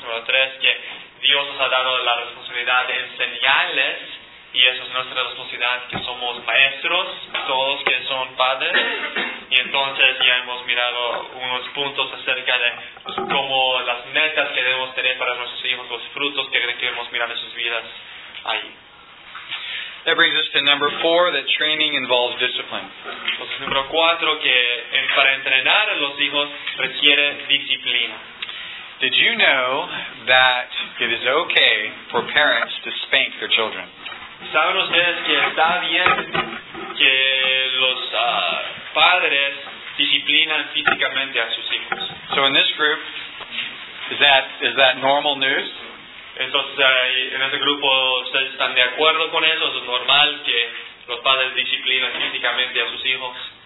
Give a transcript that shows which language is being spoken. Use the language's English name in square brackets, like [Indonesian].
[Spanish] Número tres, que Dios nos ha dado la responsabilidad de enseñarles, y eso es nuestra responsabilidad, que somos maestros, todos que son padres. Y entonces ya hemos mirado unos puntos acerca de cómo las metas que debemos tener para nuestros hijos, los frutos que queremos mirar en sus vidas ahí. [English] That brings us to number four, that training involves discipline. [Spanish] Entonces, número cuatro, que para entrenar a los hijos requiere disciplina. [English] Did you know that it is okay for parents to spank their children? [Spanish] ¿Saben ustedes que está bien que los padres disciplinan físicamente a sus hijos? [English] So in this group, is that normal news? [Spanish] Entonces, en ese grupo, ¿ustedes están de acuerdo con eso? ¿Es normal que los padres disciplinan físicamente a sus hijos?